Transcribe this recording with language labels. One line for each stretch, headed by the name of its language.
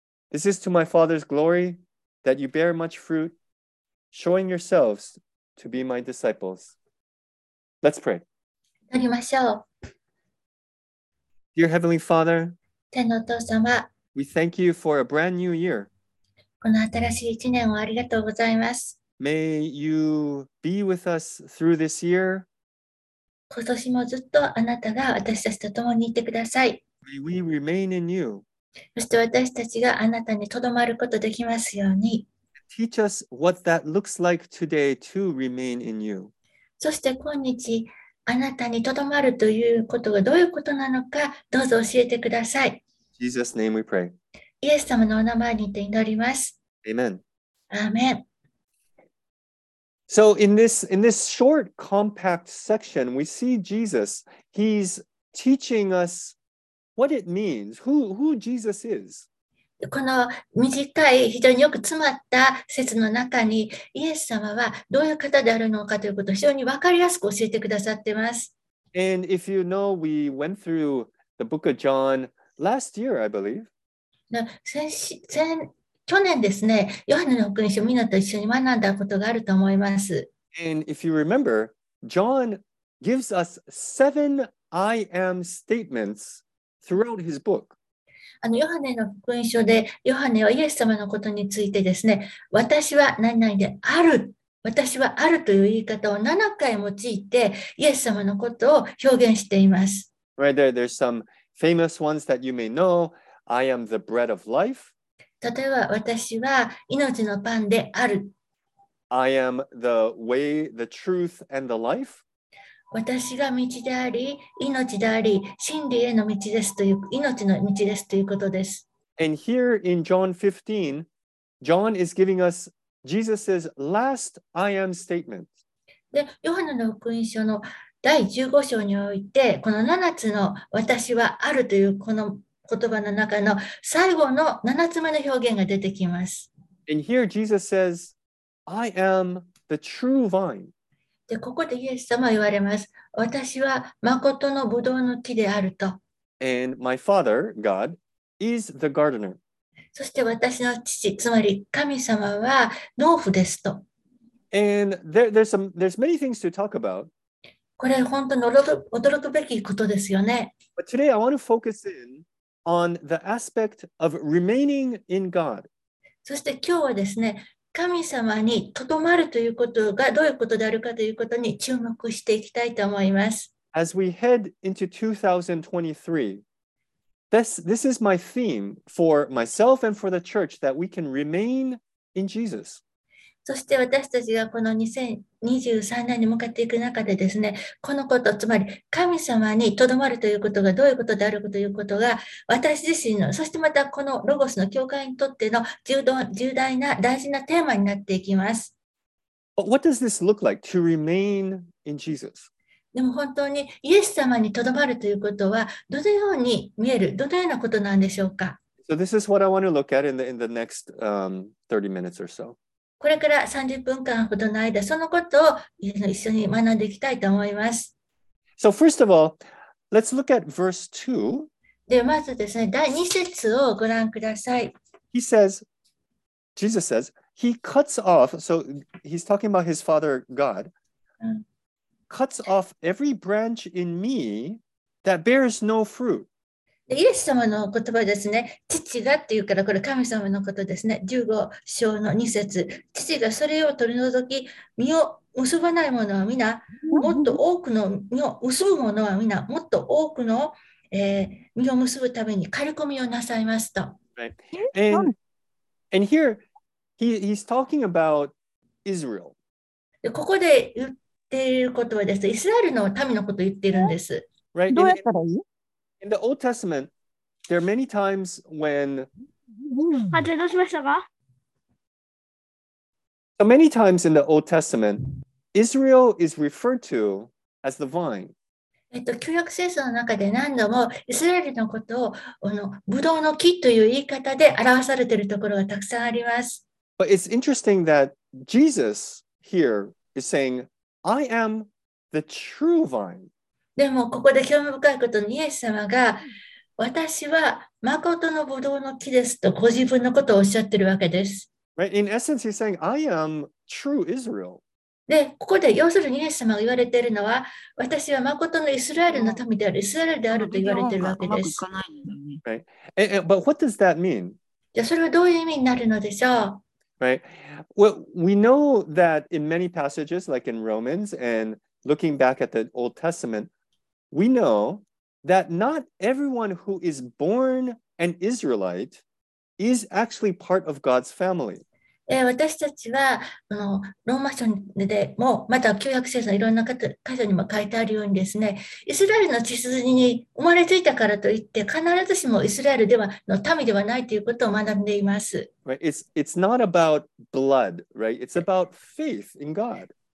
English: This is to my Father's glory that you bear much fruit, showing yourselves to be my disciples. Let's pray. Dear Heavenly Father,
Japanese: 天のお父様、
English: we thank you for a brand new year.
Japanese: この新しい一年をありがとうございます。
English: May you be with us through this year.
Japanese: 今年もずっとあなたが私たちと共にいてください。
English: May we remain in you.
Japanese: そして私たちがあなたにとどまることできますように。
English: Teach us what that looks like today to remain in you.
Japanese: そして今日あなたにとどまるということがどういうことなのかどうぞ教えてください。
English: Jesus' name we pray.
Japanese: イエス様のお名前にて祈ります。
English: Amen.
Japanese: アーメン。
English: So in this short, compact section, we see Jesus. He's teaching us what it means, who Jesus is.
Japanese: この短い、非常によく詰まった説の中に、イエス様はどういう方であるのかということを非常に分かりやすく教えてくださっています。
English: And if you know, we went through the book of John last year, I believe.
Japanese: 去年ですね、ヨハネの福音書をみんなと一緒に学んだことがあると思います。
English: And if you remember, John gives us seven I am statements throughout his book.
Japanese: あのヨハネの福音書で、ヨハネはイエス様のことについてですね、私は何々である、私はあるという言い方を7回用いて、イエス様のことを表現しています。
English: Right there, there's some famous ones that you may know. I am the bread of life.
Japanese: 例えば私は命のパンである。
English: I am the way, the truth, and the life.
Japanese: 私が道であり、命であり、真理への道ですという、命の道ですということです。
English: And here in John 15, John is giving us Jesus's last I am statement.
Japanese: で、ヨハネの福音書の第15章において、この7つの私はあるというこの言葉の中の最後の7つ目の表現が出てきます。
English: And here Jesus says, I am the true vine.
Japanese: で、ここでイエス様は言われます。私は誠のブドウの木であると。
English: And my father, God, is the gardener.
Japanese: そして私の父、つまり神様は農夫ですと。
English: And there's many things to talk about.
Japanese: これ本当に驚くべきことですよね。
English: But today I want to focus inOn the aspect of remaining in God.
Japanese: そして今日はですね、神様にとどまるということがどういうことであるかということに注目していきたいと思います。
English: As we head into 2023, this is my theme for myself and for the church that we can remain in Jesus.
Japanese: そして私たちがこの2023年に向かっていく中でですね、このこと、つまり神様にとどまるということがどういうことであるかということが、私自身の、そしてまたこのロゴスの教会にとっての重大な大事なテーマになっていきます。
English: But what does this look like to remain in Jesus?
Japanese: でも本当にイエス様にとどまるということは、どのように見える、どのようなことなんでしょうか。
English: So this is what I want to look at in the next 30 minutes or so.
Japanese: これから30分間ほどの間、そのことを一緒に学んでいきたいと思います。
English: So first of all, let's look at verse 2.
Japanese: で、まずですね、第2節をご覧ください。
English: He says, Jesus says, he cuts off, so he's talking about his father God, cuts off every branch in me that bears no fruit.
Japanese: イエス様の言葉ですね。父がっていうから、これ神様のことですね。 15章の2節。父がそれを取り除き、実を結ばないものは皆、もっと多くの実を結ぶものは皆、もっと多くの、実を結ぶために刈り込みをなさいますと。
English: Right. And here, he's talking about Israel.
Japanese: ここで言っていることはですね、イスラエルの民のことを言っているんです。どうやったらいい？
English: In the Old Testament, there are many times when... So many times in the Old Testament, Israel is referred to as the vine.
Japanese: 旧約聖書の中で何度もイスラエルのことをブドウの木という言い方で表されているところがたくさんあります。
English: But it's interesting that Jesus here is saying, I am the true vine.
Japanese: でもここで興味深いことにイエス様が私は誠のブドウの木ですとご自分のことをおっしゃってるわけです。
English: Right. In essence, he's saying, I am true Israel.
Japanese: で、ここで要するにイエス様が言われているのは私は誠のイスラエルの民である、イスラエルであると言われているわけです。
English: Right. And, but what does that mean?
Japanese: じゃあそれはどういう意味になるのでしょう?
English: Right. Well, we know that in many passages, like in Romans and looking back at the Old Testament,We know that not everyone who is born an Israelite is actually part of God's family.
Japanese: 私たちはローマ書でも、また旧約聖書のいろんな箇所にも書いてあるようにですね、イスラエルの血筋に生まれついたからといって、必ずしもイスラエルではの民ではないということを学んでいます。
English: Right. It's not about blood, right? It's about faith in God.